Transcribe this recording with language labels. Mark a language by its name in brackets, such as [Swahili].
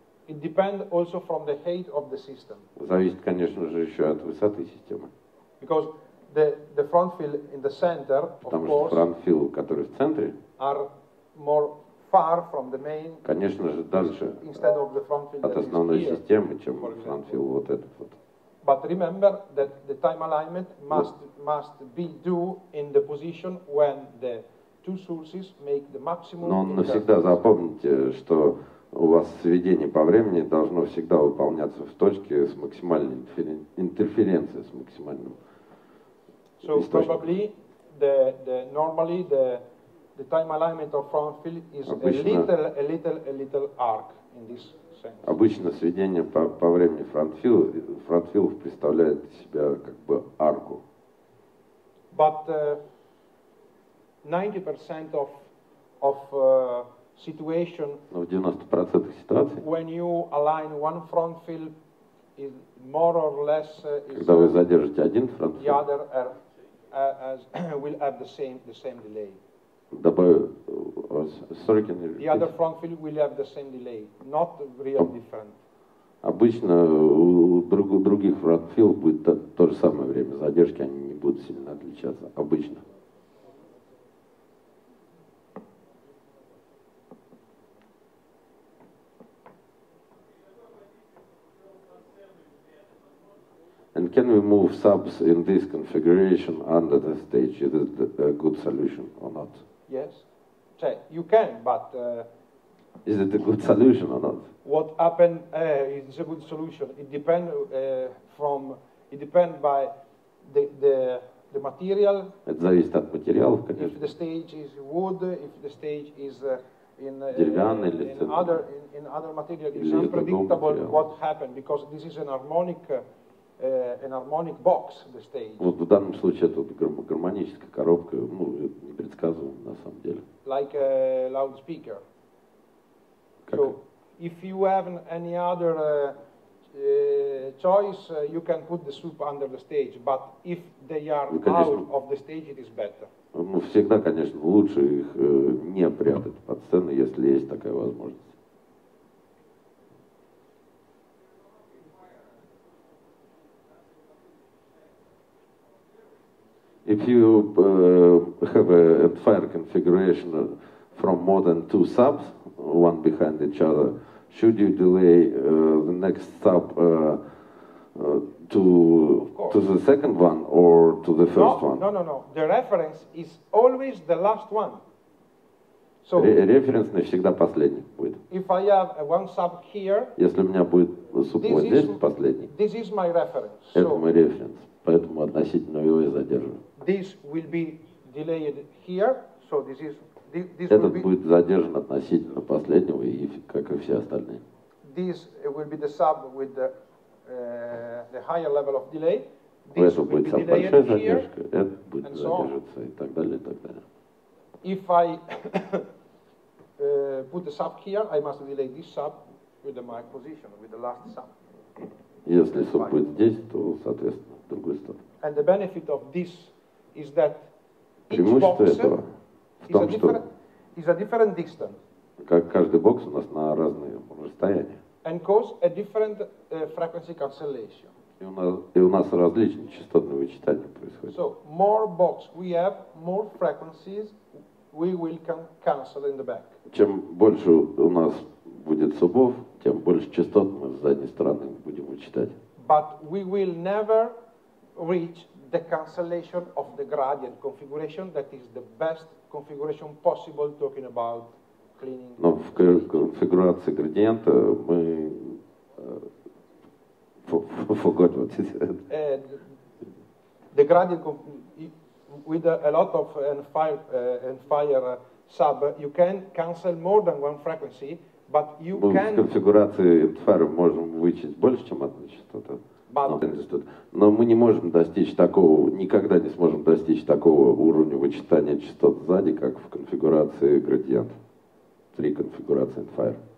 [English] it depends also from the height of the system. [Russian] Зависит, конечно же, еще от высоты системы. [English] Because the front fill in the center, [Russian] потому [English] of course, [Russian] что front fill, который в центре, [English] are more far from the main, [Russian] конечно же, дальше [English] instead of the front field [Russian] от основной системы, чем front field вот этот вот. [English] But remember that the time alignment must be due in the position when the two sources make the maximum. [Russian] Но навсегда запомните, что у вас сведение по времени должно всегда выполняться в точке с максимальной интерференцией, с максимальным источником. [English] So probably the time alignment of front field is a little arc in this sense. [Russian] Обычно сведение по времени front field представляет из себя как бы арку. [English] But 90% of situation. [Russian] Но в 90% ситуаций. [English] When you align one front field, is more or less. Когда вы задержите один front field. The other will have the same delay. The other front field will have the same delay, not real different. [Russian] Обычно у других front field будет то же самое время задержки, они не будут сильно отличаться. Обычно. [English] And can we move subs in this configuration under the stage? Is it a good solution or not? Yes, so you can, but is it a good solution or not? What happened is a good solution. It depends from. It depends by the material. It [Russian] зависит от материалов, конечно. [English] If the stage is wood, if the stage is in [Russian] деревянный [English] in, [Russian] или [English] in other in other material, it's unpredictable what happened because this is an harmonic box, the stage. [Russian] Вот в данном случае это вот гармоническая коробка, ну, непредсказуемо на самом деле. [English] Like a loudspeaker. [Russian] Как? [English] So, if you have any other choice, you can put the soup under the stage, but if they are [Russian] конечно, [English] out of the stage, it is better. [Russian] Ну, всегда, конечно, лучше их не прятать под сцену, если есть такая возможность. [English] If you have a fire configuration from more than two subs, one behind each other, should you delay the next sub to the second one or to the first one? No. The reference is always the last one. So, [Russian] референсный всегда последний будет. [English] If I have a one sub here, [Russian] если у меня будет суппорт здесь, последний, [English] this is my reference. So, [Russian] это мой референс, поэтому относительно его и задерживаю. Этот будет задержан относительно последнего, и как и все остальные. [English] This will be the sub with the, the higher level of delay. [Russian] У этого будет самая большая задержка, это будет задерживаться, и так далее, и так далее. [English] If I put the sub here, I must delay this sub with the my position, with the last sub. [Russian] Если sub будет здесь, то, соответственно, в другую сторону. [English] And the benefit of this is that each box is a different distance. [Russian] Как каждый бокс у нас на разные расстояния. [English] And cause a different frequency cancellation. [Russian] И у нас различные частотные вычитания происходят. [English] So, more box we have, more frequencies we will cancel in the back. [Russian] Чем больше у нас будет субов, тем больше частот мы с задней стороны будем вычитать. [English] But we will never reach the cancellation of the gradient configuration, that is the best configuration possible, talking about cleaning. [Russian] Но в конфигурации градиента мы [English] the gradient with a lot of and fire sub, you can cancel more than one frequency, but you can. [Russian] В конфигурации fire можем вычесть больше, чем одну частоту. Но мы не можем достичь такого, никогда не сможем достичь такого уровня вычитания частот сзади, как в конфигурации градиент. Три конфигурации fire.